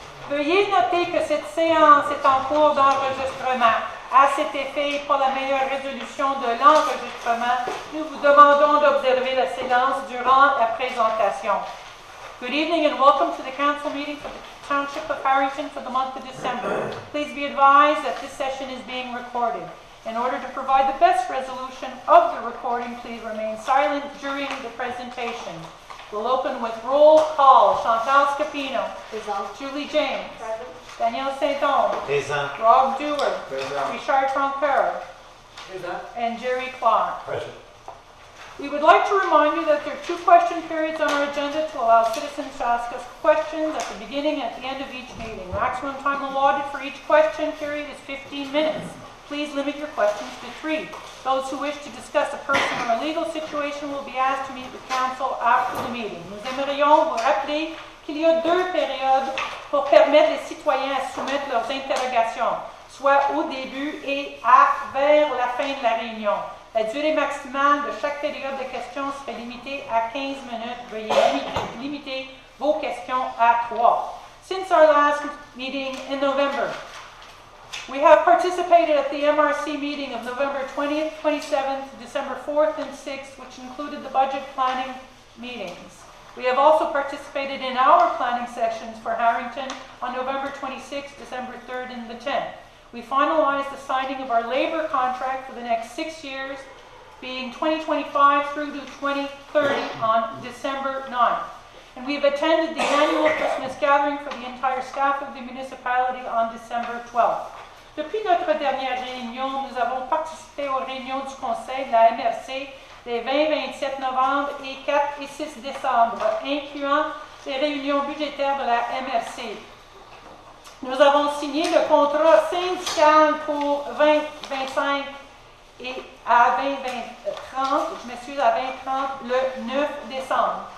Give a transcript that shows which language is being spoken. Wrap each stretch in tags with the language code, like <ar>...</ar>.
<fr>Veuillez noter que cette séance est en cours d'enregistrement. À cet effet, pour la meilleure résolution de l'enregistrement, nous vous demandons d'observer la séance durant la présentation.</fr> <en>Good evening and welcome to the council meeting for the Township of Harrington for the month of December. Please be advised that this session is being recorded. In order to provide the best resolution of the recording, please remain silent during the presentation. We'll open with roll call. Chantal Scapino. Present. Julie James. Present. Danielle Saint-Onge. Present. Rob Dewar. Present. Richard Francoeur. Present. And Jerry Clark. Present. We would like to remind you that there are two question periods on our agenda to allow citizens to ask us questions at the beginning and at the end of each meeting. Maximum time allotted for each question period is 15 minutes. Please limit your questions to three. Those who wish to discuss a personal or legal situation will be asked to meet with council after the meeting.</en> <fr>Nous aimerions vous rappeler qu'il y a deux périodes pour permettre les citoyens à soumettre leurs interrogations, soit au début et à vers la fin de la réunion. La durée maximale de chaque période de questions serait limitée à 15 minutes. Veuillez limiter vos questions à trois.</fr> <en>Since our last meeting in November, we have participated at the MRC meeting of November 20th, 27th, December 4th and 6th, which included the budget planning meetings. We have also participated in our planning sessions for Harrington on November 26th, December 3rd and the 10th. We finalized the signing of our labor contract for the next 6 years, being 2025 through to 2030 on December 9th. And we have attended the annual Christmas gathering for the entire staff of the municipality on December 12th.</en> <fr>Depuis notre dernière réunion, nous avons participé aux réunions du conseil de la MRC les 20, 27 novembre et 4 et 6 décembre, incluant les réunions budgétaires de la MRC. Nous avons signé le contrat syndical pour 2030 le 9 décembre.</fr>